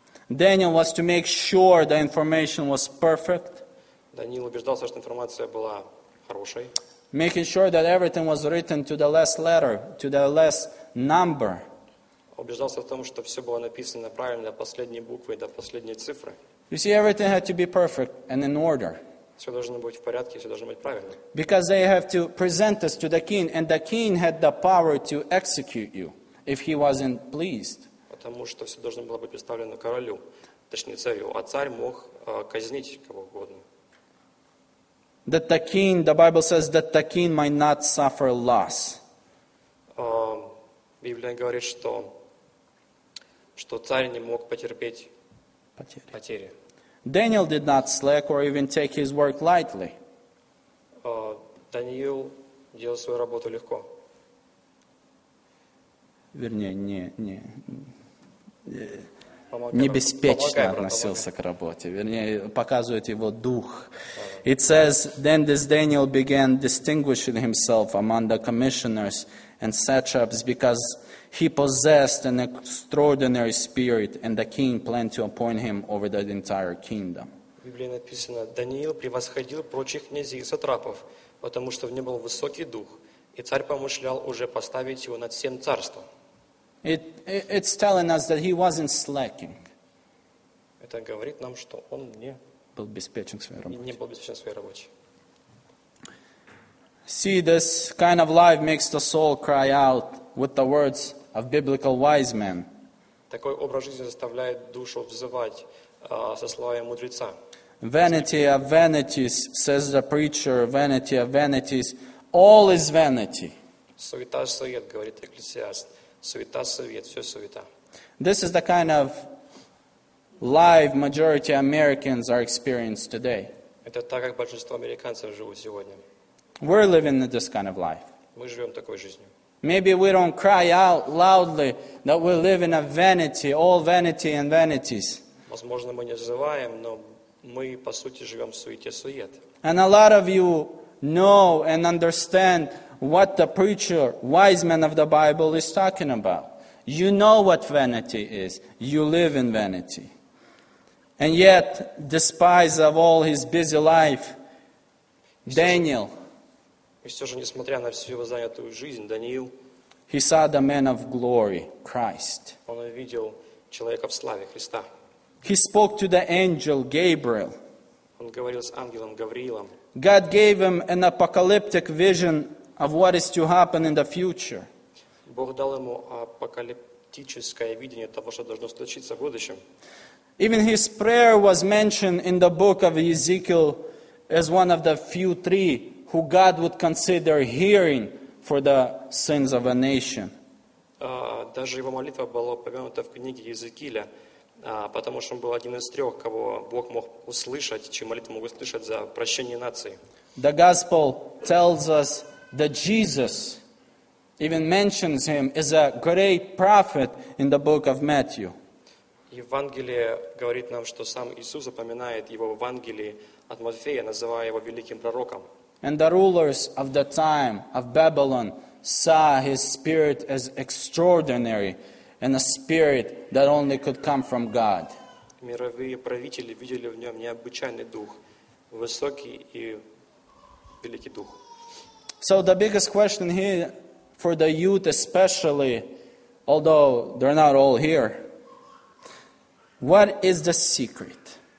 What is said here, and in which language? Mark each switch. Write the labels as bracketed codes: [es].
[en] Daniel was to make sure the information was perfect. [ru] Даниил убеждался, что информация была хорошей. [en] Making sure that everything was written to the last letter, to the last number. [ru] Убеждался в том, что все было написано правильно до последней буквы, до последней цифры. [en] You see, everything had to be perfect and in order. [ru] Все должно быть в порядке, все должно быть правильно. [en] Because they have to present this to the king, and the king had the power to execute you if he wasn't pleased. [ru] Потому что все должно было быть представлено королю, точнее царю, а царь мог казнить кого угодно. [en] That the king, the Bible says, that the king might not suffer loss. [ru] Библия говорит, что царь не мог потерпеть потери. [en] Daniel did not slack or even take his work lightly. [ru] Даниил делал свою работу легко. Вернее, не, не. небеспечно относился к работе. Вернее, показывает его дух. [en] It says, then this Daniel began distinguishing himself among the commissioners and satraps because he possessed an extraordinary spirit and the king planned to appoint him over the entire kingdom. [ru] В Библии написано, Даниил превосходил прочих князей и сатрапов, потому что в нем был высокий дух, и царь помышлял уже поставить его над всем царством. [en] It's telling us that he wasn't slacking. [ru] Это говорит нам, что он не был обеспечен своей работе. Не был обеспечен своей работе. [en] See, this kind of life makes the soul cry out with the words of biblical wise men. [ru] Такой образ жизни заставляет душу взывать со словами мудреца. [en] Vanity of vanities, says the preacher, vanity of vanities, all is vanity. [ru] Суета сует, говорит экклесиаст. Суета, совет, все суета. [en] This is the kind of life majority Americans are experiencing today. [ru] Это так, как большинство американцев живут сегодня. [en] We're living in this kind of life. [ru] Мы живем такой жизнью. [en] Maybe we don't cry out loudly that we live in a vanity, all vanity and vanities. [ru] Возможно, мы не взываем, но мы, по сути, живем в суете, сует. [en] And a lot of you know and understand what the preacher, wise man of the Bible, is talking about. You know what vanity is. You live in vanity. And yet, despite of all his busy life, Daniel, he saw the man of glory, Christ. [ru] Он увидел человека в славе, Христа. [en] He spoke to the angel Gabriel. [ru] Он говорил с ангелом Гавриилом. [en] God gave him an apocalyptic vision of what is to happen in the future. [ru] Бог дал ему апокалиптическое видение того, что должно случиться в будущем. [en] Even his prayer was mentioned in the book of Ezekiel as one of the few three who God would consider hearing for the sins of a nation. [ru] Даже его молитва была упомянута в книге Иезекииля, потому что он был один из трех, кого Бог мог услышать, чью молитву мог услышать за прощение нации. [en] The gospel tells us that Jesus even mentions him as a great prophet in the book of Matthew. [ru] Евангелие говорит нам, что сам Иисус упоминает его в Евангелии от Матфея, называя его великим пророком. [en] And the rulers of the time of Babylon saw his spirit as extraordinary and a spirit that only could come from God. [ru] Мировые правители видели в нем необычайный дух, высокий и великий дух. [en] So the biggest question here for the youth especially, although they're not all here, what is the secret?